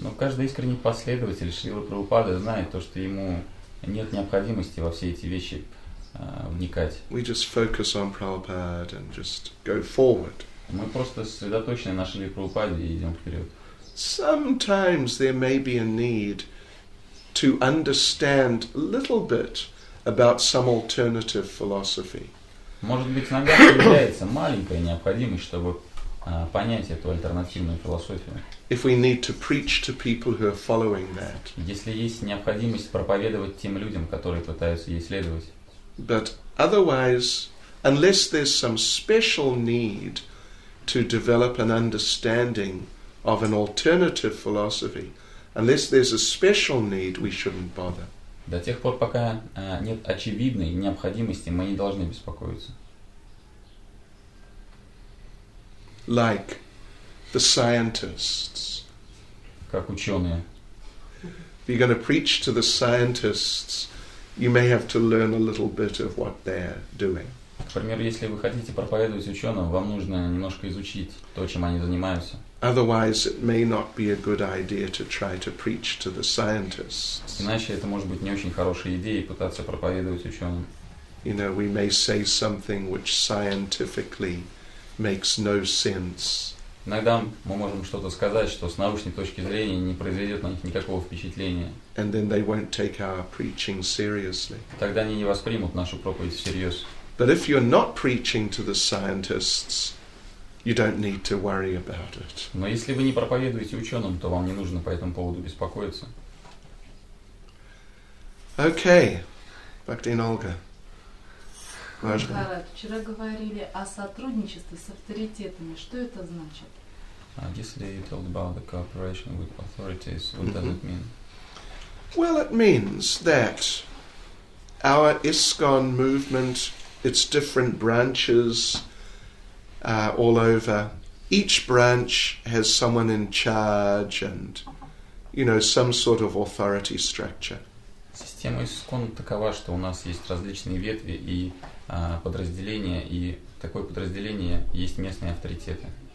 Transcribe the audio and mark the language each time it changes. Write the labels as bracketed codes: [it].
[ru] Но каждый искренний последователь Шрилы Прабхупады знает то, что ему нет необходимости во все эти вещи вникать. [en] We just focus on Prabhupada and just go forward. [ru] Мы просто сосредоточены на Шриле Прабхупаде и идем вперед. [en] Sometimes there may be a need to understand a little bit about some alternative philosophy. [ru] Может быть, иногда появляется маленькая необходимость, чтобы понять эту альтернативную философию. [en] If we need to preach to people who are following that. [ru] Если есть необходимость проповедовать тем людям, которые пытаются ей следовать. [en] But otherwise, unless there's some special need to develop an understanding of an alternative philosophy, unless there's a special need, we shouldn't bother. [ru] До тех пор, пока нет очевидной необходимости, мы не должны беспокоиться. [en] Like the scientists. [ru] Как ученые. [en] If you're going to preach to the scientists, you may have to learn a little bit of what they're doing. [ru] К примеру, если вы хотите проповедовать ученым, вам нужно немножко изучить то, чем они занимаются. [en] Otherwise, it may not be a good idea to try to preach to the scientists. [ru] Иначе это может быть не очень хорошая идея пытаться проповедовать ученым. [en] You know, we may say something which scientifically makes no sense. [ru] Иногда мы можем что-то сказать, что с научной точки зрения не произведет на них никакого впечатления. [en] And then they won't take our preaching seriously. [ru] Тогда они не воспримут нашу проповедь всерьез. [en] But if you're not preaching to the scientists, you don't need to worry about it. [ru] Но если вы не проповедуете ученым, то вам не нужно по этому поводу беспокоиться. [en] Okay, Bhaktin Olga. [ru] Михайлович, вчера говорили о сотрудничестве с авторитетами. Что это значит? [en] Yesterday you talked about the cooperation with authorities. What does it mean? Well, it means that our ISKCON movement, its different branches all over. Each branch has someone in charge and, you know, some sort of authority structure. [ru] Система ИСКОН такова, что у нас есть различные ветви и подразделения, и такое подразделение есть местные авторитеты.